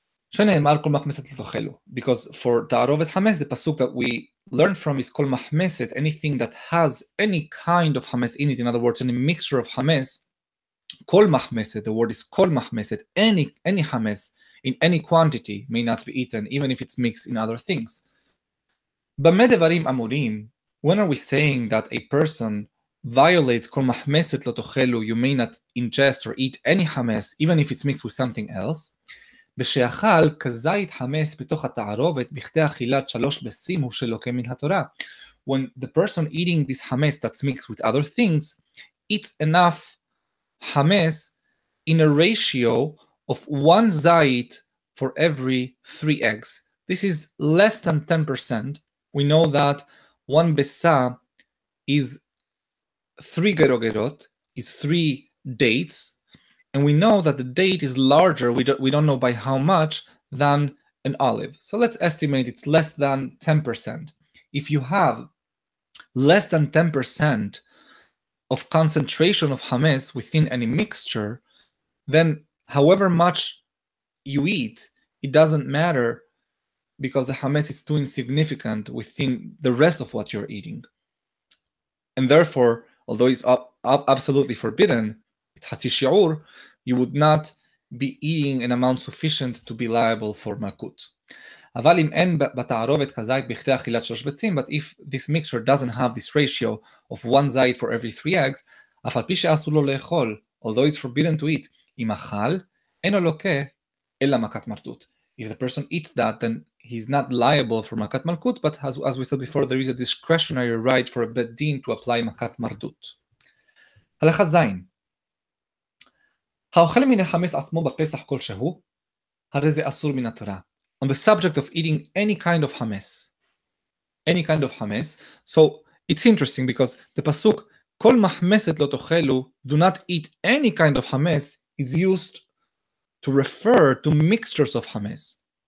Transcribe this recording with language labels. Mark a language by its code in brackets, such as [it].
[he] She'ne'emar kol mahmeset lo tochelu, [en] because for ta'arovet hametz, the pasuk that we learn from is called mahmeset, anything that has any kind of hametz in it, in other words, any mixture of hametz, kol mahmeset, the word is kol mahmeset, any hametz in any quantity may not be eaten, even if it's mixed in other things. [he] B'me devarim amurim, [en] when are we saying that a person violates [he] kol mahmeset lo tochelu, [en] you may not ingest or eat any hametz, even if it's mixed with something else? [he] ושאכל כזית חמץ בתוך התערובת בכדי אכילת שלוש בשים הוא שלוקה מן התורה. [en] When the person eating this חמץ that's mixed with other things, eats enough חמץ in a ratio of one zait for every three eggs. This is less than 10%. We know that one besa is three gerogerot, is three dates, and we know that the date is larger, we don't know by how much, than an olive. So let's estimate it's less than 10%. If you have less than 10% of concentration of hametz within any mixture, then however much you eat, it doesn't matter, because the hametz is too insignificant within the rest of what you're eating. And therefore, although it's absolutely forbidden, it's hasi shi'ur, you would not be eating an amount sufficient to be liable for makut. [he] אבל אם אין בתערובת כזית בכדי אכילת שלוש ביצים, [en] but if this mixture doesn't have this ratio of one zait for every three eggs, [he] אף על פי שאסור לו לאכול, [en] although it's forbidden to eat, [he] אם אכל, אינו לוקה, אלא מכת מרדות. If the person eats that, then he's not liable for makat malkut, but as we said before, there is a discretionary right for a bet din to apply makat mardut. הלכה זין. האוכל מן החמץ עצמו בפסח כלשהו, הרי זה אסור מן התורה. [en] On the subject of eating any kind of חמץ, any kind of חמץ, so it's interesting because the pasuk, [he] כל מחמסת לא תאכלו, [en] do not eat any kind of חמץ, is used to refer to mixtures of חמץ.